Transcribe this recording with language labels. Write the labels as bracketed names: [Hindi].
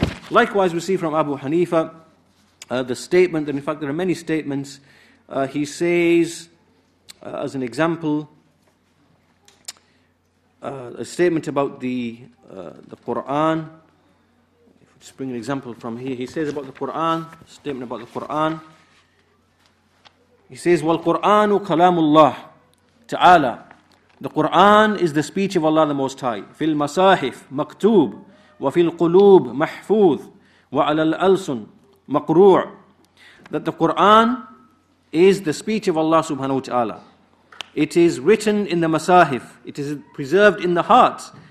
[English] Likewise, we see from Abu Hanifa the statement, and in fact there are many statements, he says, as an example, a statement about the Qur'an. Just bring an example from here. He says about the Qur'an, statement about the Qur'an. He says, [Arabic] وَالْقُرْآنُ كَلَامُ اللَّهِ تَعَالَى. [English] The Qur'an is the speech of Allah the Most High. [Arabic] فِي الْمَسَاحِفِ مَكْتُوبِ وَفِي الْقُلُوبِ مَحْفُوظِ وَعَلَى الْأَلْسُنِ مَقْرُوعِ. [English] That the Qur'an is the speech of Allah subhanahu wa ta'ala. It is written in the masahif. It is preserved in the hearts.